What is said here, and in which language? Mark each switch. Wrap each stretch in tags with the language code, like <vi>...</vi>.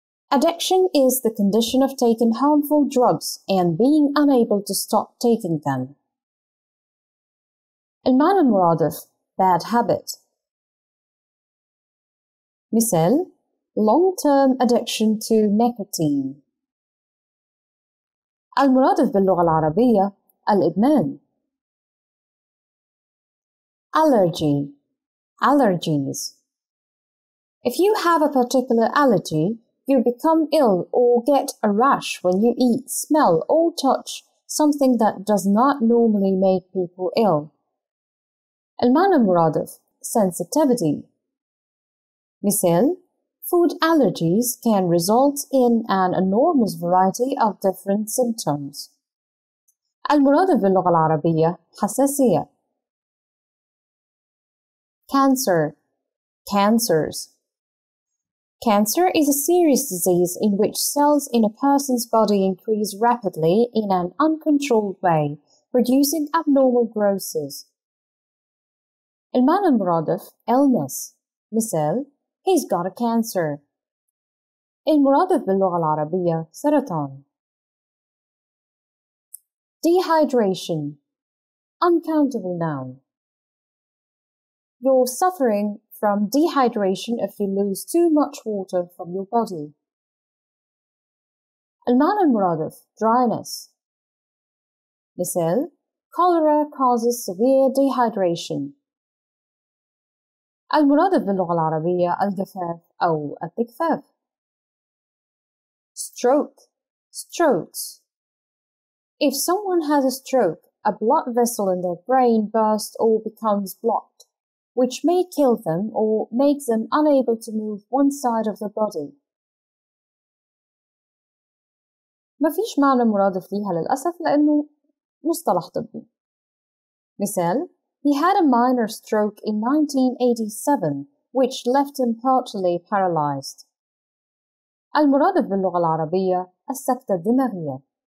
<en>Addiction is the condition of taking harmful drugs and being unable to stop taking them.</en> <ar>المعنى المرادف</ar> <en>bad habit. مثال long-term addiction to nicotine.</en> <ar>المرادف باللغة العربية الإدمان.</ar> <en>Allergy. Allergies. If you have a particular allergy, you become ill or get a rash when you eat, smell or touch something that does not normally make people ill.</en> <ar>المعنى المرادف sensitivity.</ar> <en>مثال food allergies can result in an enormous variety of different symptoms.</en> <ar>المرادف باللغة العربية حساسية.</ar> <en>Cancer. Cancers. Cancer is a serious disease in which cells in a person's body increase rapidly in an uncontrolled way, producing abnormal growths.</en> <ar>المعنى المرادف illness.</ar> <en>مثال he's got a cancer.</en> <ar>المرادف باللغة العربية سرطان.</ar> <en>Dehydration. Uncountable noun. You're suffering from dehydration if you lose too much water from your body.</en> <ar>المعنى المرادف dryness.</ar> <en>مثال cholera causes severe dehydration.</en> <ar>المرادف باللغة العربية الجفاف أو التجفاف.</ar> <en>Stroke. Strokes. If someone has a stroke, a blood vessel in their brain bursts or becomes blocked, which may kill them or makes them unable to move one side of the body.</en> <ar>ما فيش معنى مرادف ليها للأسف لأنه مصطلح طبي.</ar> <en>مثال he had a minor stroke in 1987, which left him partially paralyzed.</en> <ar>المرادف باللغة العربية السكتة الدماغية.</ar>